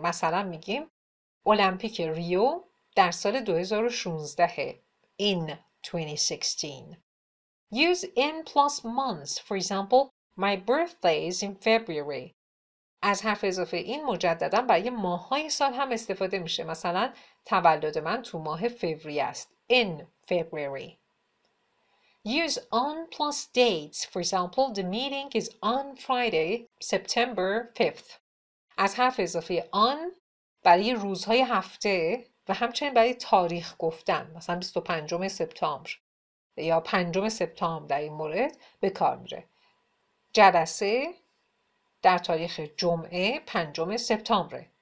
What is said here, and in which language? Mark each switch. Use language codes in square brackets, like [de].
[fa] مثلا میگیم المپیک ریو در سال 2016 [en] in 2016. Use in plus months. For example, my birthday is in February. [fa] از حرف اضافه این مجددا برای ماهای سال هم استفاده میشه. مثلا تولد من تو ماه فوریه است. [en] In February. Use on plus dates. For example, the meeting is on Friday, September 5th. [fa] از حرف اضافه on برای روزهای هفته و همچنین برای تاریخ گفتن. مثلا 25 سپتامبر یا 5 سپتامبر در این مورد به کار میره. جلسه در تاریخ جمعه 5 سپتامبر.